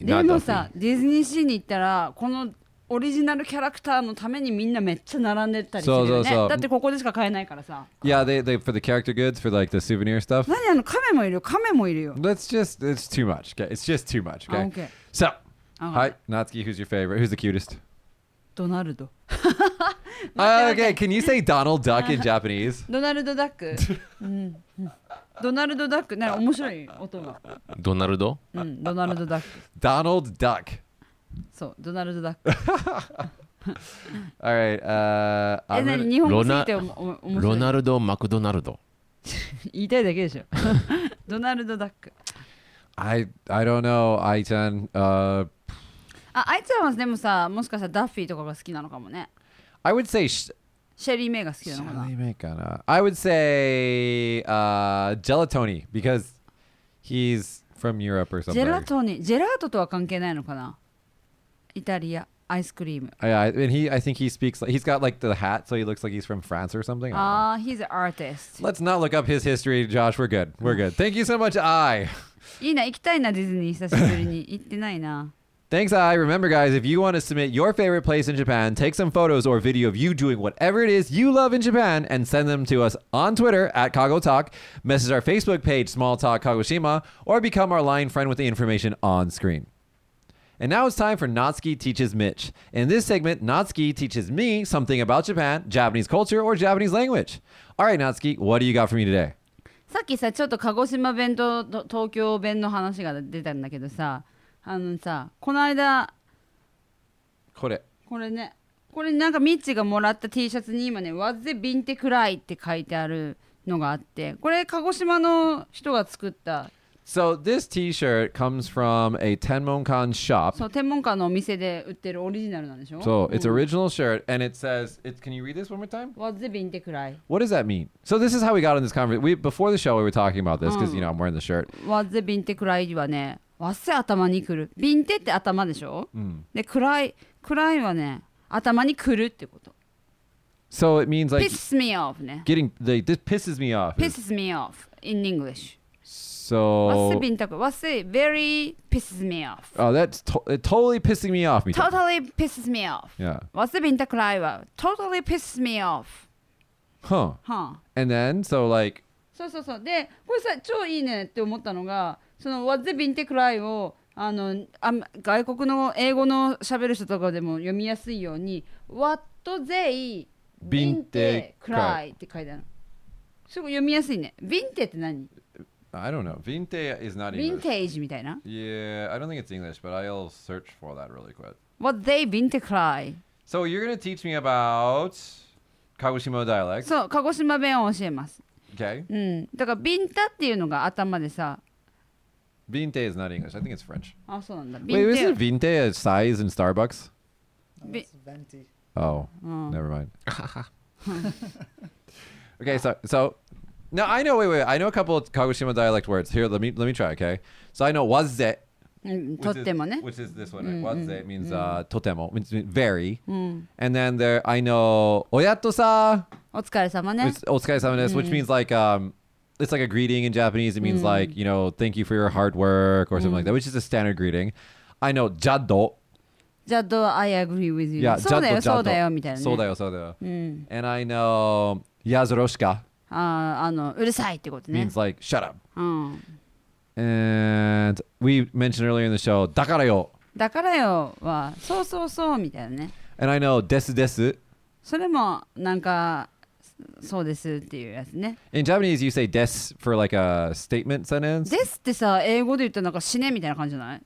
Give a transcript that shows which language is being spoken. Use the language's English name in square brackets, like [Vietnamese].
[Japanese] でもさ、ディズニーシーに行ったらこのオリジナルキャラクターのためにみんなめっちゃ並んでったりするよね。そう。だってここでしか買えないからさ。 [English] Yeah, they for the character goods, for like the souvenir stuff. [Japanese] 何あの亀もいるよ、亀もいるよ。 [English] It's too much. Okay, it's just too much. Okay. Okay. So, okay. Hi, Natsuki, who's your favorite? Who's the cutest? Donald. Okay, can you say Donald Duck in Japanese? Donald Duck. Donald Duck. [Japanese] なんか面白い音が。 [English] Donald? [Japanese] うん、Donald Duck. [English] Donald Duck. [Japanese] そう、Donald Duck. [English] All right. I'm really... [Japanese] 日本語について面白い。 [English] Ronaldo McDonald. [Japanese] 言いたいだけでしょ。Donald Duck. [English] I don't know, Aichan. [Japanese] あいつはでもさ、もしかしたらダッフィーとかが好きなのかもね。 [English] I would say [Japanese] シェリー・メイが好きなのかな。シェリー・メイかな。 [English] I would say ジェラトニー、because he's from Europe or something. [Japanese] ジェラトニー、ジェラートとは関係ないのかな。イタリア、アイスクリーム。 [English] Yeah, and I think he speaks like, he's got like the hat, so he looks like he's from France or something. He's an artist. Let's not look up his history, Josh. We're good. Thank you so much, I. [Japanese] いいな、行きたいな、ディズニー久しぶりに。行ってないな。 [English] Thanks, I. Remember, guys, if you want to submit your favorite place in Japan, take some photos or video of you doing whatever it is you love in Japan and send them to us on Twitter at KagoTalk, message our Facebook page, Small Talk Kagoshima, or become our line friend with the information on screen. And now it's time for Natsuki Teaches Mitch. In this segment, Natsuki teaches me something about Japan, Japanese culture, or Japanese language. All right, Natsuki, what do you got for me today? [Japanese] さっきさ、ちょっと鹿児島弁と東京弁の話が出たんだけどさ、あのさ、この間これね、これなんかミッチがもらった T シャツに今ね、わぜビンテクライって書いてあるのがあって、これ鹿児島の人が作った。 [English] So this T-shirt comes from a Tenmonkan shop. [Japanese] そう、天文館のお店で売ってるオリジナルなんでしょ。 [English] So it's original shirt and it says, can you read this one more time? [Japanese] わぜビンテクライ。 [English] What does that mean? So this is how we got in this conversation. Before the show we were talking about this because, I'm wearing the shirt. [Japanese] わぜビンテクライはね、わっせ頭に来る。ビンテって頭でしょ、で、暗いはね、頭に来るってこと。 [English] So it means like... Pisses me off, ね。 Getting... This pisses me off. Pisses me off in English. So... わっせ very pisses me off. Oh, that's totally pissing me off. Totally pisses me off. Yeah. わっせビンタクライは totally pisses me off. Huh. And then, so like... [Japanese] そう。で、これさ、超いいねって思ったのが、そのワッゼビンテクライをあの外国の英語の喋る人とかでも読みやすいようにワットゼイビンテクライって書いてある。すごい読みやすいね。ビンテって何？ [English] I don't know. ヴィンテ is not English. [Japanese] ヴィンテージみたいな。 [English] Yeah, I don't think it's English, but I'll search for that really quick. [Japanese] ワッゼイビンテクライ。 [English] So you're going to teach me about 鹿児島 dialect. [Japanese] そう、鹿児島弁を教えます。 [English] Okay. [Japanese] だからビンタっていうのが頭でさ、 [English] Vinte is not English. I think it's French. Oh, so that. Wait, isn't Vinte a size in Starbucks? No, it's Venti. Oh, never mind. Okay, so now I know. Wait. I know a couple of Kagoshima dialect words. Here, let me try. Okay, so I know waze. [Japanese] Totemo, ne? [English] Which is this one? Right? Waze means totemo, means very. And then there, I know oyato-sa. [Japanese] Otsukaresama ne. [English] Otsukaresama desu, which means like it's like a greeting in Japanese. It means like, thank you for your hard work or something like that, which is a standard greeting. I know jaddo. Jaddo, I agree with you. Yeah, [Japanese] jaddo, jaddo. そうだよ。 [English] And I know yazoroshika. [Japanese] うるさいってことね。 [English] Means like, shut up. And we mentioned earlier in the show, dakarayo. [Japanese] Dakarayo は、そうみたいなね。 [English] And I know desu. [Japanese] それもなんか、そうですっていうやつね。 [English] In Japanese, you say des for like a statement sentence. [Japanese] Des ってさ、英語で言ったらなんか死ねみたいな感じじゃない？